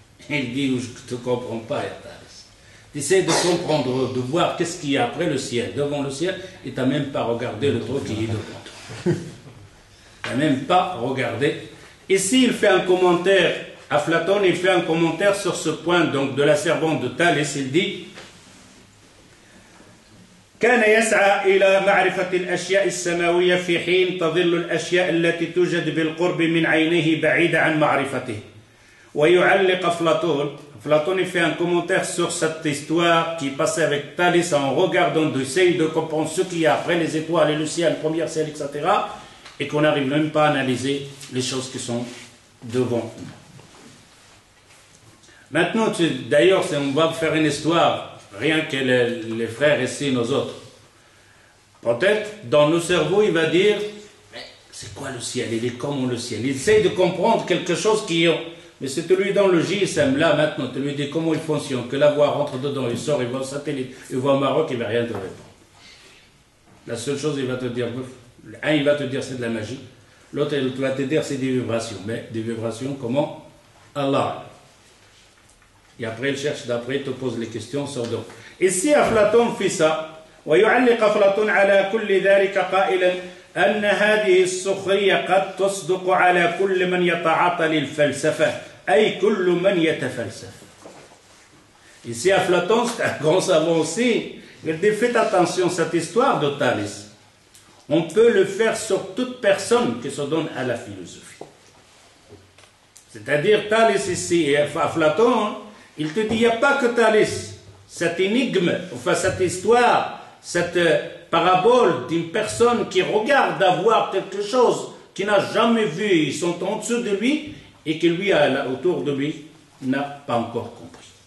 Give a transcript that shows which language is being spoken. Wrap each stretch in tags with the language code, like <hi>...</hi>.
<fr>Elle dit, je ne te comprends pas, Thalès. Tu essaies de comprendre, de voir qu'est-ce qu'il y a après le ciel, devant le ciel, et tu n'as même pas regardé le truc qui est devant toi. Tu n'as même pas regardé. Et s'il fait un commentaire... À Platon, il fait un commentaire sur ce point donc, de la servante de Thalès. Il dit</fr> <ar>كان يسعى إلى معرفة الأشياء السماوية في حين تظل الأشياء التي توجد بالقرب من عينيه بعيدة عن معرفته. ويعلق أفلاطون.</ar> <fr>Platon fait un commentaire sur cette histoire qui passait avec Thalès en regardant de essayer de comprendre ce qu'il y a après les étoiles et le ciel, la première ciel, etc. Et qu'on n'arrive même pas à analyser les choses qui sont devant nous. Maintenant, d'ailleurs, on va faire une histoire, rien que les frères ici, nos autres. Peut-être, dans nos cerveaux, il va dire, mais c'est quoi le ciel? Il est comment le ciel? Il essaie de comprendre quelque chose qu'il y a. Mais si tu lui donnes le GSM, là, maintenant, tu lui dis comment il fonctionne, que la voie rentre dedans, il sort, il voit le satellite, il voit le Maroc, il ne va rien te répondre. La seule chose, il va te dire, un, il va te dire c'est de la magie, l'autre, il va te dire c'est des vibrations. Mais des vibrations, comment? Allah. Et après, il cherche d'après, il te pose les questions sur d'autres. Ici, Aflatoun fait ça.</fr> <ar>« ويعلق Aflatoun على كل ذلك قائلا أن هذه السخرية قد تصدق على كل من يتعاطى للفلسفة أي كل من يتفلسف. »</ar> <fr>Ici, Aflatoun, c'est un grand savant aussi. Il dit, faites attention à cette histoire de Thalès. On peut le faire sur toute personne qui se donne à la philosophie. C'est-à-dire Thalès ici et Platon, il te dit, il n'y a pas que Thalès. Cette énigme, enfin cette histoire, cette parabole d'une personne qui regarde avoir quelque chose qu'il n'a jamais vu, ils sont en dessous de lui, et que lui, autour de lui, n'a pas encore compris.</fr>